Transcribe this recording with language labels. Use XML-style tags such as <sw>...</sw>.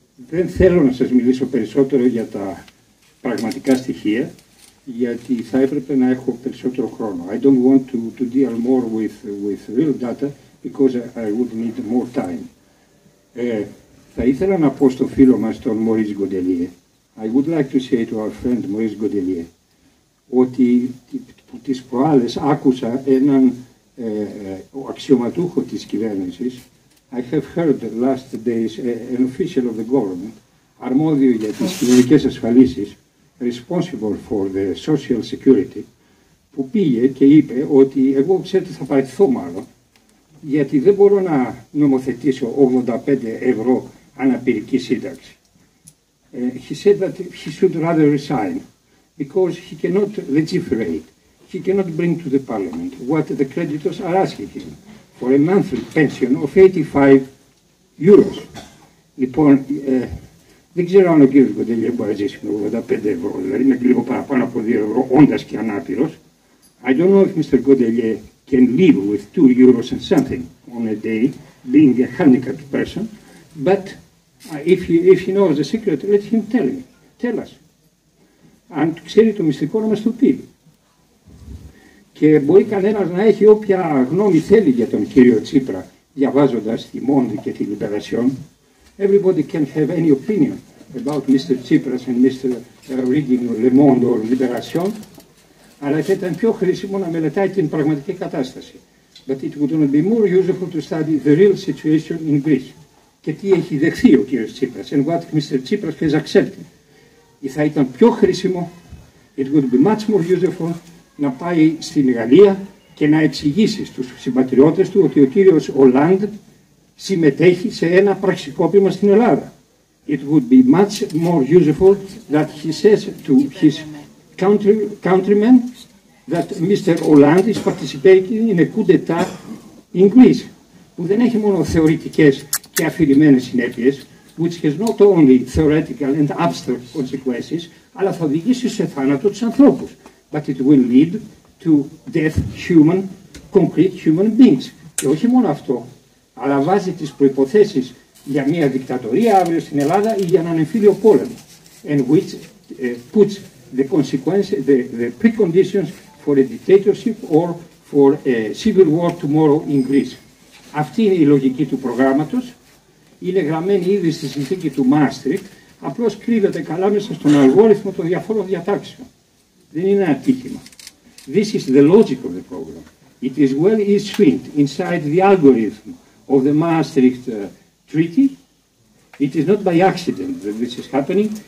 <el>Δεν θέλω να σας μιλήσω περισσότερο για τα πραγματικά στοιχεία, γιατί θα έπρεπε να έχω περισσότερο χρόνο.</el> <en>I don't want to deal more with real data, because I would need more time.</en> <el>Θα ήθελα να πω στο φίλο μας τον Maurice Gaudelier,</el> <en>I would like to say to our friend Maurice Gaudelier,</en> <el>ότι τις προάλλες άκουσα έναν αξιωματούχο της κυβέρνησης,</el> <en>I have heard the last days an official of the government,</en> <el>αρμόδιο για τις κοινωνικές ασφαλίσεις,</el> <en>responsible for the social security,</en> <el>που πήγε και είπε ότι εγώ ξέρετε θα παραιτηθώ μάλλον, γιατί δεν μπορώ να νομοθετήσω 85 ευρώ αναπηρική σύνταξη.</el> <en>He said that he should rather resign, because he cannot legislate, he cannot bring to the parliament what the creditors are asking him. For a monthly pension of 85 euros.</en> <el>Λοιπόν, δεν ξέρω αν ο κ. Γκοντελιέ μπορεί να ζήσει με 85 ευρώ, δηλαδή με λίγο παραπάνω από 2 ευρώ, όντας και ανάπηρος.</el> <en>I don't know if Mr. Gaudelier can live with 2 euros and something on a day, being a handicapped person, but if he knows the secret, let him tell me. Tell us.</en> <el>Αν ξέρει το μυστικό να μας το πει. Και μπορεί κανένας να έχει όποια γνώμη θέλει για τον κύριο Τσίπρα, διαβάζοντας τη Μόντι και τη Λιμπερασιόν.</el> <en>Everybody can have any opinion about Mr. Tsipras and Mr. Reading Le Monde or Liberation,</en> <el>αλλά θα ήταν πιο χρήσιμο να μελετάει την πραγματική κατάσταση.</el> <en>But it would not be more useful to study the real situation in Greece.</en> <el>Και τι έχει δεχθεί ο κύριος Τσίπρας</el> <en>and what Mr. Tsipras has accepted.</en> <el>Ή θα ήταν πιο χρήσιμο,</el> <en>it would be much more useful</en> <el>να πάει στην Γαλλία και να εξηγήσει στους συμπατριώτες του ότι ο κύριος Ολάντ συμμετέχει σε ένα πραξικόπημα στην Ελλάδα.</el> <en>It would be much more useful that he says to his countrymen that Mr. Ολάντ is participating in a coup d'etat in Greece,</en> <el>που δεν έχει μόνο θεωρητικές και αφηρημένες συνέπειες,</el> <en>which has not only theoretical and abstract consequences,</en> <el>αλλά θα οδηγήσει σε θάνατο τους ανθρώπους.</el> <en>But it will lead to death human, concrete human beings.</en> <el>Και όχι μόνο αυτό, αλλά βάζει τις προϋποθέσεις για μια δικτατορία αύριο στην Ελλάδα ή για έναν εμφύλιο πόλεμο.</el> <en>And which puts the consequences, the preconditions for a dictatorship or for a civil war tomorrow in Greece.</en> <el>Αυτή είναι η λογική του προγράμματος. Είναι γραμμένη ήδη στη συνθήκη του Maastricht, απλώς κρύβεται καλά μέσα στον αλγόριθμο των διαφόρων διατάξεων. Δεν είναι ένα ατύχημα.</el> <en>This is the logic of the program. It is well enshrined inside the algorithm of the Maastricht Treaty. It is not by accident that this is happening.</en>